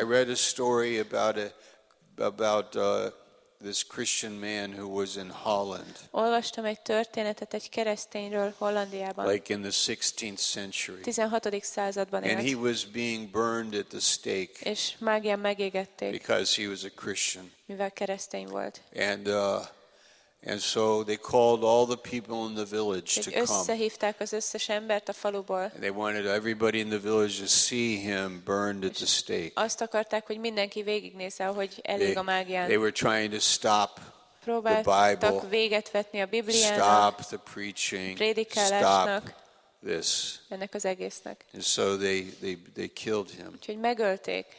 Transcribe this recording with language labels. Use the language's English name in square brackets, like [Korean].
[English] I read a story about this Christian man who was in Holland. [Hungarian] Olvastam egy történetet egy keresztényről Hollandiában. [English] Like in the 16th century. [Hungarian] 16. században. [English] And he was being burned at the stake. [Hungarian] És mágián megégették. [English] Because he was a Christian. [Hungarian] Mivel keresztény volt. [English] And so they called all the people in the village to come. [Hungarian] Összehívták az összes embert a faluból. [English] They wanted everybody in the village to see him burned at the stake. [Hungarian] Azt akarták, hogy mindenki végignézze, hogy elég a mágián. [English] They were trying to stop the Bible. [Hungarian] Próbáltak véget vetni a Bibliának. [English] Stop the preaching. [Hungarian] Prédikálásnak. [English] This. [Hungarian] Ennek az egésznek. [English] And so they killed him. [Hungarian] Úgyhogy megölték.